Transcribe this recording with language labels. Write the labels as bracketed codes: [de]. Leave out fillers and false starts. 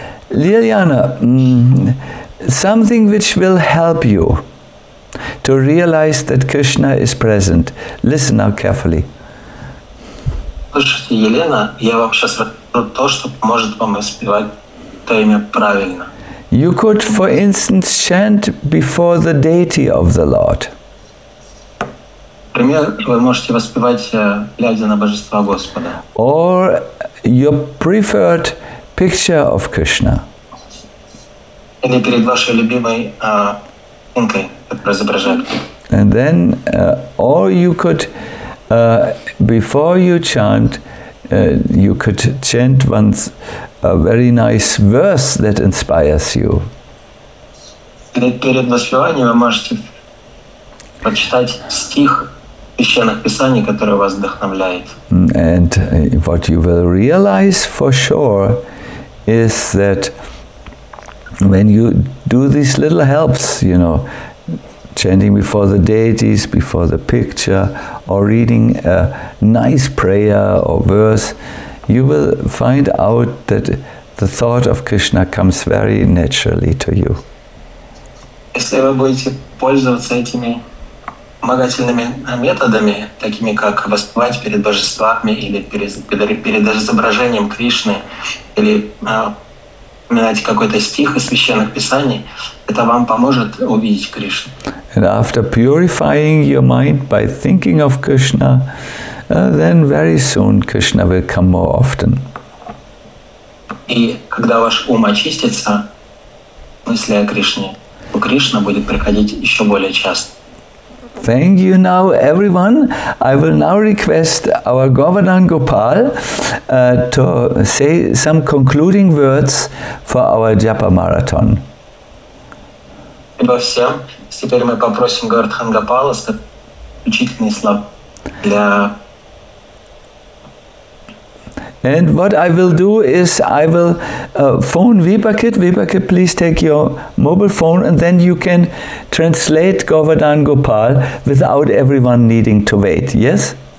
[en] Лилиана, something which will help you to realize that Krishna is present. Listen now carefully. [ru] Слушайте, Елена, я вам сейчас расскажу то, что поможет вам воспевать то имя правильно. [en] You could, for instance, chant before the deity of the Lord. [ru] Например, вы можете воспевать, глядя на божество Господа. [en] Or your preferred picture of Krishna. [ru] Или перед вашей любимой картинкой, которую изображали. [en] And then, or you could... before you chant, you could chant once a very nice verse that inspires you. [ru] Перед воспеванием вы можете прочитать стих священных писаний, который вас вдохновляет. [en] And what you will realize for sure is that when you do these little helps, you know, chanting before the deities, before the picture, or reading a nice prayer or verse, you will find out that the thought of Krishna comes very naturally to you. [ru] Если вы будете пользоваться этими вспомогательными методами, такими как воспевать перед божествами или перед изображением Кришны, или вспоминать какой-то стих из священных писаний, это вам поможет увидеть Кришну. [en] And after purifying your mind by thinking of Krishna, then very soon Krishna will come more often. [ru] И когда ваш ум очистится, мысли о Кришне, то Кришна будет приходить еще более часто. [en] Thank you now, everyone. I will now request our Govardhan Gopal to say some concluding words for our Japa Marathon. [ru] Спасибо всем. Теперь мы попросим Говардхан Гопала сказать учительные слова для... [en] And what I will do is I will phone Vipakit. Vipakit, please take your mobile phone and then you can translate Govardhan Gopal without everyone needing to wait. Yes?